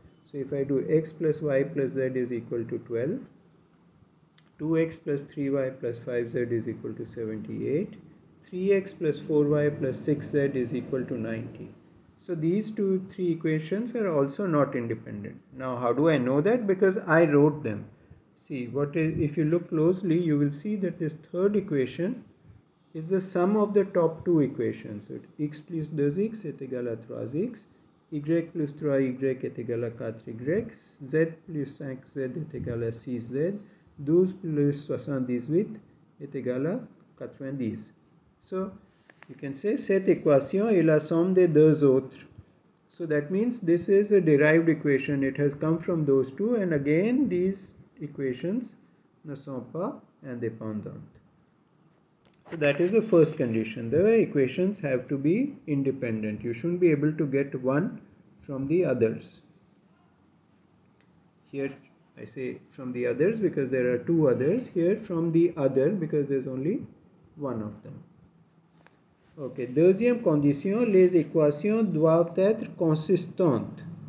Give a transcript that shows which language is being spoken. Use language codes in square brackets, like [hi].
[en] So if I do x plus y plus z is equal to 12. 2x plus 3y plus 5z is equal to 78. 3x plus 4y plus 6z is equal to 90. So these two, three equations are also not independent. Now how do I know that? Because I wrote them. See, if you look closely, you will see that this third equation is the sum of the top two equations. [fr] So x plus 2x est égal à 3x, y plus 3y est égal à 4y, z plus 5z est égal à 6z, 12 plus 78 est égal à 90. [en] So you can say [fr] cette équation est la somme des deux autres. [en] So that means this is a derived equation. It has come from those two, and again these equations [fr] ne sont pas indépendantes. [en] So that is the first condition. The equations have to be independent. You shouldn't be able to get one from the others. Here I say from the others because there are two others. Here from the other because there's only one of them. [fr] Ok, deuxième condition, les équations doivent être consistantes.